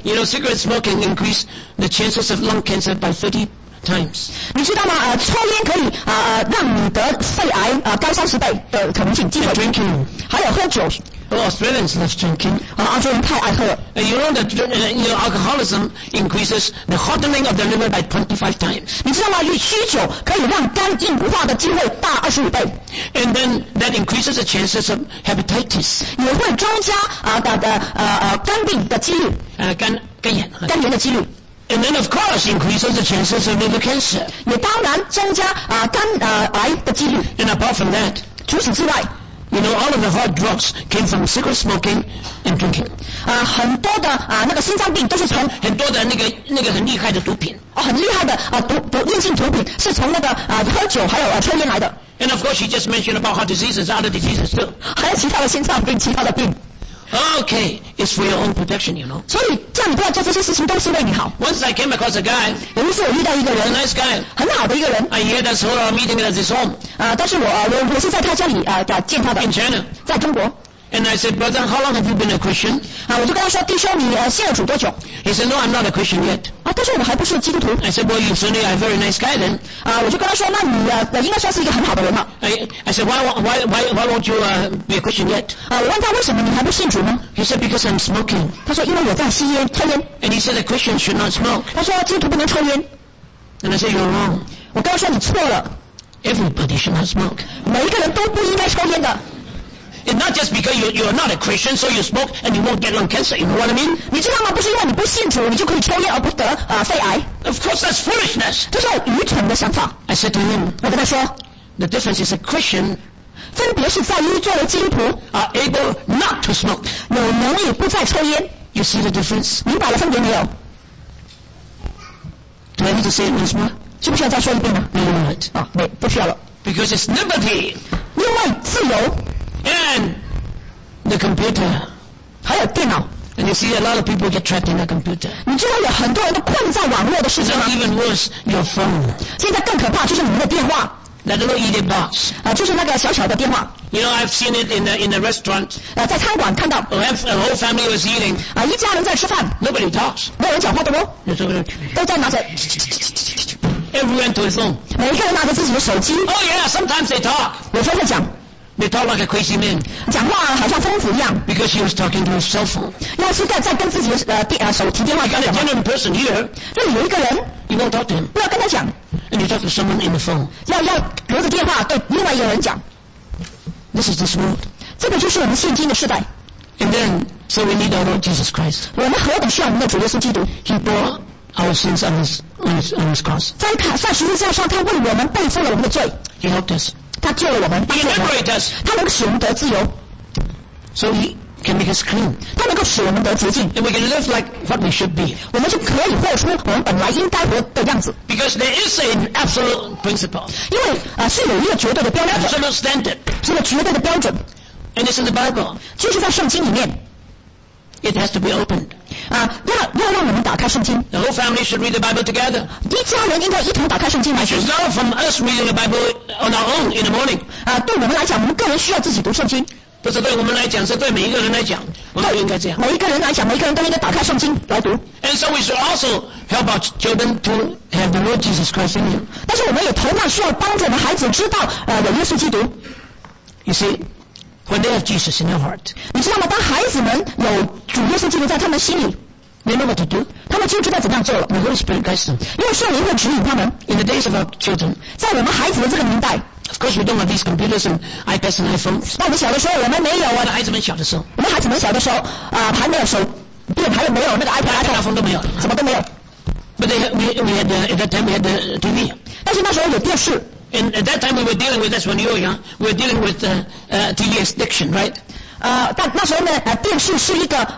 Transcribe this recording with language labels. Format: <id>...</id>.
<en>You know, cigarette smoking increase the chances of lung cancer by 30 times.</en> <zh>你知道吗？抽烟可以让你得肺癌高三十倍的可能性机会。</zh> <en>And drinking.</en> <zh>还有喝酒。</zh> <en>Australians love drinking.</en> <zh>Australians 太爱喝了。</zh> <en>And you know that alcoholism increases the hardening of the liver by 25 times.</en> <zh>你知道吗？酗酒可以让肝硬化的机会大25倍。</zh> <en>And then that increases the chances of hepatitis.</en> <zh>也会增加肝病的几率。肝炎的几率。</zh> <en>And then of course increases the chances of liver cancer.</en> <zh>也当然增加肝癌的几率。</zh> <en>And apart from that.</en> <zh>除此之外。</zh> <en>You know, all of the hard drugs came from cigarette smoking and drinking.</en> <zh>很多的那个心脏病都是从很多的那个很厉害的毒品。很厉害的硬性毒品是从那个喝酒还有抽烟来的。</zh> <en>And of course, you just mentioned about heart diseases, other diseases too.</en> <zh>还有其他的心脏病，其他的病。</zh> <en>Okay, it's for your own protection, you know.</en> <zh>所以叫你不要做这些事情，都是为你好。</zh> <en>Once I came across a guy,</en> <zh>有一次我遇到一个人</zh> <en>，a nice guy,</en> <zh>很好的一个人。</zh> <en>I had a solo meeting at his home.</en> <zh>但是我是在他家里见他的。</zh> <en>In China,</en> <zh>在中国。</zh> <en>And I said, brother, how long have you been a Christian?</en> <zh>我就跟他说，弟兄，你信了主多久</zh> <en>？He said, no, I'm not a Christian yet.</en> <zh>但是我还不是基督徒。</zh> <en>I said, well, you certainly are a very nice guy then.</en> <zh>我就跟他说，那你应该算是一个很好的人了。</zh> <en>I said, why won't you be a Christian yet?</en> <zh>我问他为什么你还不信主呢</zh> <en>？He said, because I'm smoking.</en> <zh>他说因为我在吸烟抽烟。</zh> <en>And he said, a Christian should not smoke.</en> <zh>他说基督徒不能抽烟。</zh> <en>And I said, you're wrong.</en> <zh>我跟他说你错了。</zh> <en>Everybody should not smoke.</en> <zh>每一个人都不应该抽烟的。</zh> <en>It's not just because you're not a Christian, so you smoke and you won't get lung cancer. You know what I mean?</en> <zh>你知道吗？不是因为你不信主，你就可以抽烟而不得肺癌。</zh> <en>Of course, that's foolishness.</en> <zh>这是愚蠢的想法。</zh> <en>I said to him.</en> <zh>我跟他说。</zh> <en>The difference is a Christian.</en> <zh>分别是在于作为基督徒。</zh> <en>Are able not to smoke.</en> <zh>有能力不再抽烟。</zh> <en>You see the difference?</en> <zh>明白了分别没有</zh> <en>？Do I need to say it once more?</en> <zh>需不需要再说一遍呢</zh> <en>？No, not.</en> <zh>没不需要了。</zh> <en>Because it's liberty.</en> <zh>因为自由。</zh> <en>And the computer.</en> <zh>还有电脑。</zh> <en>And you see a lot of people get trapped in the computer.</en> <zh>你知道有很多人都困在网络的世界吗</zh> <en>？Even worse, your phone.</en> <zh>现在更可怕就是你的电话。</zh> <en>That little idiot box.</en> <zh>就是那个小小的电话。</zh> <en>You know, I've seen it in the restaurant.</en> <zh>在餐馆看到。</zh> <en>A whole family was eating.</en> <zh>一家人在吃饭。</zh> <en>Nobody talks.</en> <zh>没有人讲话的哦。有这个。都在拿着。</zh> <en>Everyone to his own.</en> <zh>每一个人拿着自己的手机。</zh> <en>Oh yeah, sometimes they talk.</en> <zh>有时候会讲。</zh> <en>They talk like a crazy man.</en> <zh>讲话好像疯子一样。</zh> <en>Because he was talking to his cell phone.</en> <zh>要是在跟自己手提电话讲话。</zh> <en>A genuine person here.</en> <zh>这里有一个人。</zh> <en>You won't talk to him.</en> <zh>不要跟他讲。</zh> <en>And you talk to someone in the phone.</en> <zh>要隔着电话对另外一个人讲。</zh> <en>This is this world.</en> <zh>这个就是我们现今的时代。</zh> <en>And then, so we need our Lord Jesus Christ.</en> <zh>我们何等需要我们的主耶稣基督。</zh> <en>He bore our sins on his cross.</en> <zh>在十字架上，他为我们背负了我们的罪。</zh> <en>He helped us.</en> <zh>他救了我们，他能够使我们得自由</zh> <en>，so he can make us clean。</en> <zh>他能够使我们得洁净</zh> <en>，and we can live like what we should be。</en> <zh>我们就可以活出我们本来应该活的样子。</zh> <en>Because there is an absolute principle。</en> <zh>因为是有一个绝对的标准</zh> <en>，absolute standard，</en> <zh>是个绝对的标准</zh> <en>，and it's in the Bible，</en> <zh>就是在圣经里面。</zh> <en>It has to be opened。</en> <zh>要让我们打开圣经。</zh> <en>The whole family should read the Bible together。</en> <zh>一家人应该一同打开圣经来。</zh> <en>It should start from us reading the Bible on our own in the morning。</en> <zh>对我们来讲，我们个人需要自己读圣经。不是对我们来讲，是对每一个人来讲，我们应该这样。每一个人来讲，每一个人都应该打开圣经来读。</zh> <en>And so we should also help our children to have the Lord Jesus Christ in them。</en> <zh>但是我们也同样需要帮助我们孩子知道有耶稣基督。</zh> <en>You see。 When they have Jesus in their heart,</en> <zh>你知道吗？当孩子们有主耶稣基督在他们心里</zh> <en>，they know what to do.</en> <zh>他们就知道怎样做了。</zh> <en>The Holy Spirit guides them.</en> <zh>因为圣灵会指引他们。</zh> <en>In the days of our children,</en> <zh>在我们孩子的这个年代</zh> <en>，of course we don't have these computers and iPads and iPhones.</en> <zh>那我们小的时候，我们没有啊。那孩子们小的时候，我们孩子们小的时候，还没有手电，还有没有那个 iPad、 iPhone 都没有，什么都没有。</zh> <en>But we had TV.</en> <zh>但是那时候有电视。</zh> <en>And at that time we were dealing with, that's when you were young, we were dealing with TV addiction, right?</en> <zh>但那时候呢，电视是一个</zh>